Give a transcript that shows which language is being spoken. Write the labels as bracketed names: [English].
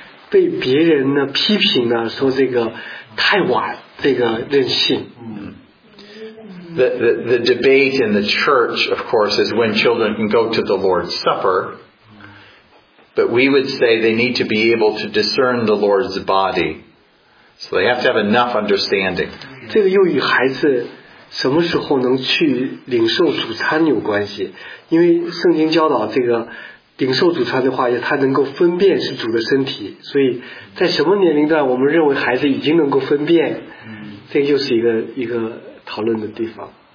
[Chinese] 被别人呢批评呢，说这个太晚，这个任性。 [English] The debate in the church, of course, is when children can go to the Lord's Supper. But we would say they need to be able to discern the Lord's body. So they have to have enough understanding. [Chinese] 这个又与孩子什么时候能去领受主餐有关系，因为圣经教导这个领受主餐的话，他能够分辨是主的身体，所以在什么年龄段我们认为孩子已经能够分辨，这又是一个讨论的地方。